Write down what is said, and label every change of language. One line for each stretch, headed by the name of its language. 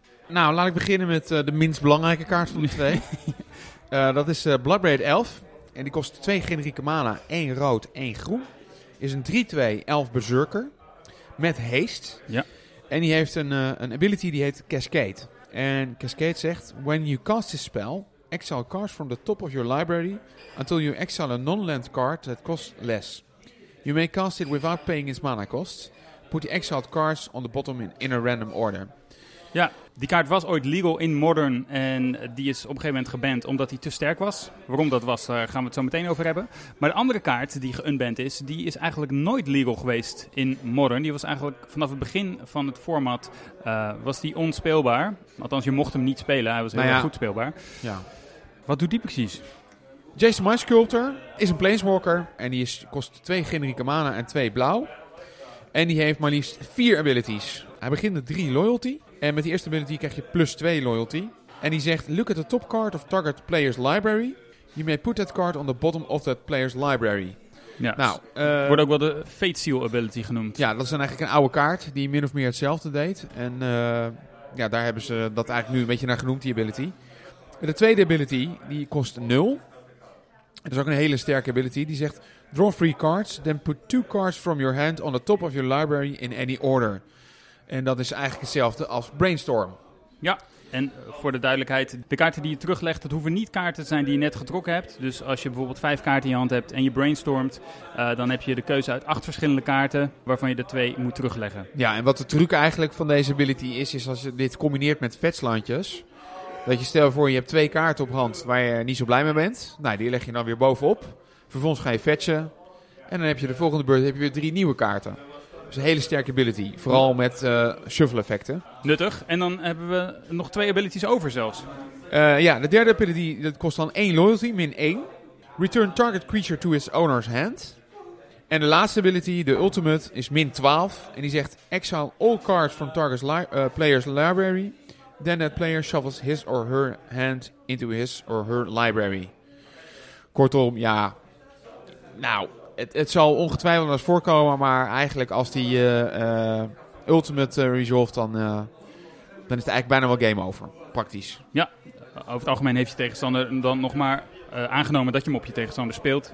Dutch: Nou, laat ik beginnen met de minst belangrijke kaart van de twee. Dat is Bloodbraid Elf. En die kost 2 generieke mana, 1 rood, 1 groen. Is een 3-2 elf berserker met haste. Ja. En die heeft een ability die heet Cascade. En Cascade zegt,
English: when you cast this spell, exile cards from the top of your library until you exile a non-land card that costs less. You may cast it without paying its mana cost. Put the exiled cards on the bottom in a random order.
Dutch: Ja, die kaart was ooit legal in Modern en die is op een gegeven moment geband omdat hij te sterk was. Waarom dat was, daar gaan we het zo meteen over hebben. Maar de andere kaart die geunband is, die is eigenlijk nooit legal geweest in Modern. Die was eigenlijk vanaf het begin van het format was die onspeelbaar. Althans, je mocht hem niet spelen, hij was heel goed speelbaar. Ja. Wat doet die precies? Jace the Mind Sculptor is een planeswalker en die kost 2 generieke mana en 2 blauw. En die heeft maar liefst 4 abilities. Hij begint met 3 loyalty. En met die eerste ability krijg je plus 2 loyalty. En die zegt,
English: look at the top card of target player's library. You may put that card on the bottom of that player's library.
Dutch: Ja, nou, wordt ook wel de Fate Seal ability genoemd. Ja, dat is dan eigenlijk een oude kaart die min of meer hetzelfde deed. En daar hebben ze dat eigenlijk nu een beetje naar genoemd, die ability. De tweede ability, die kost 0. Dat is ook een hele sterke ability. Die zegt,
English: draw 3 cards, then put 2 cards from your hand on the top of your library in any order.
Dutch: En dat is eigenlijk hetzelfde als Brainstorm. Ja, en voor de duidelijkheid, de kaarten die je teruglegt, dat hoeven niet kaarten te zijn die je net getrokken hebt. Dus als je bijvoorbeeld 5 kaarten in je hand hebt en je brainstormt, dan heb je de keuze uit 8 verschillende kaarten waarvan je de 2 moet terugleggen. Ja, en wat de truc eigenlijk van deze ability is, is als je dit combineert met vetslandjes. Dat je stel voor, je hebt 2 kaarten op hand waar je niet zo blij mee bent. Nou, die leg je dan weer bovenop. Vervolgens ga je fetchen. En dan heb je de volgende beurt heb je weer 3 nieuwe kaarten. Dus een hele sterke ability. Vooral met shuffle effecten. Nuttig. En dan hebben we nog 2 abilities over zelfs. De derde ability dat kost dan 1 loyalty, min 1.
English: Return target creature to its owner's hand.
Dutch: En de laatste ability, de ultimate, is min 12. En die zegt,
English: exile all cards from target's player's library. Then that player shuffles his or her hand into his or her library.
Dutch: Kortom, ja. Nou, het zal ongetwijfeld wel eens voorkomen. Maar eigenlijk als die ultimate resolved, dan is het eigenlijk bijna wel game over. Praktisch. Ja, over het algemeen heeft je tegenstander dan nog maar aangenomen dat je hem op je tegenstander speelt.